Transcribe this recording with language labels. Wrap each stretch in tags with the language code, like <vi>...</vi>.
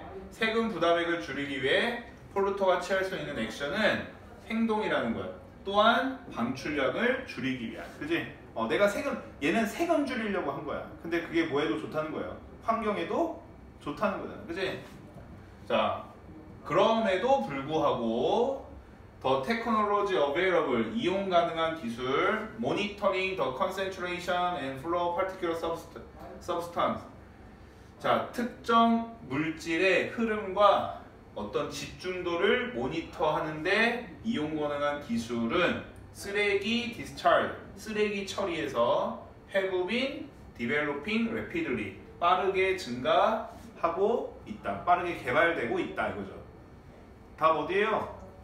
<ko>세금 부담액을 줄이기 위해 폴루터가 취할 수 있는 액션은 행동이라는 거야. 또한 방출량을 줄이기 위한. 그지? 내가 세금, 얘는 세금 줄이려고 한 거야. 근데 그게 뭐에도 좋다는 거예요. 환경에도 좋다는 거다. 그지? 자, 그럼에도 불구하고</ko> <en>the technology available,</en> <ko>이용 가능한 기술,</ko> <en>monitoring the concentration and flow of particular substance.</en> <ko>자, 특정 물질의 흐름과 어떤 집중도를 모니터하는데 이용 가능한 기술은 쓰레기 discharge, 쓰레기 처리에서 회부인</ko> <en>developing rapidly,</en> <ko>빠르게 증가하고 있다, 빠르게 개발되고 있다 이거죠. 답 어디예요?</ko>